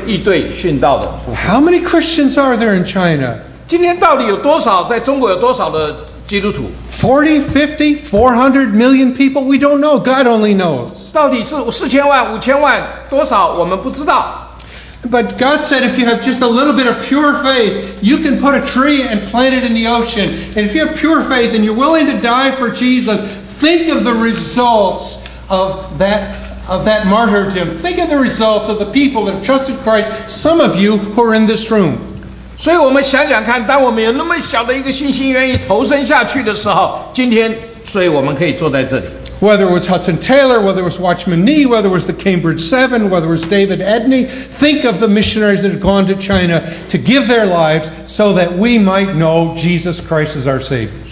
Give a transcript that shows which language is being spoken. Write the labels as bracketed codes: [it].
[zh] 所以耶稣说你要把一个这么小的芥菜种的信心丢一个小树丢在海里面，今天有成千上万的宣教士他们受激励，就是因为也是因为这一对殉道的夫妇。 [en] How many Christians are there in China? [zh] 今天到底有多少在中国有多少的 基督徒, [en] 40, 50, 400 million people, we don't know. God only knows. [zh] 到底是4000万、5000万多少，我们不知道。 [en] But God said if you have just a little bit of pure faith, you can put a tree and plant it in the ocean. And if you have pure faith and you're willing to die for Jesus, think of the results of that martyrdom. Think of the results of the people that have trusted Christ, some of you who are in this room. [zh] 所以我们想想看，当我们有那么小的一个信心，愿意投身下去的时候，今天，所以我们可以坐在这里。 [en] Whether it was Hudson Taylor, whether it was Watchman Nee, whether it was the Cambridge Seven, whether it was David Edney, think of the missionaries that had gone to China to give their lives so that we might know Jesus Christ as our Savior.